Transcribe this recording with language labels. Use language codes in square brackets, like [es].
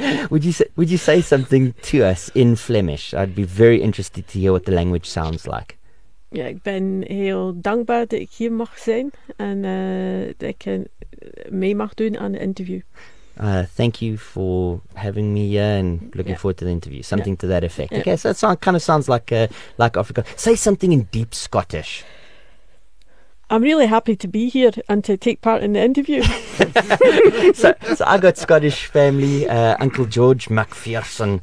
[en] Would you say something to us in Flemish? I'd be very interested to hear what the language sounds like. [nl] Yeah, ik ben heel dankbaar dat ik hier mag zijn en dat ik mee mag doen aan de interview. [en] Thank you for having me here and looking forward to the interview. Something to that effect. Yeah. Okay, so that kind of sounds like Africa. Say something in deep Scottish. I'm really happy to be here and to take part in the interview. So I got Scottish family, Uncle George McPherson,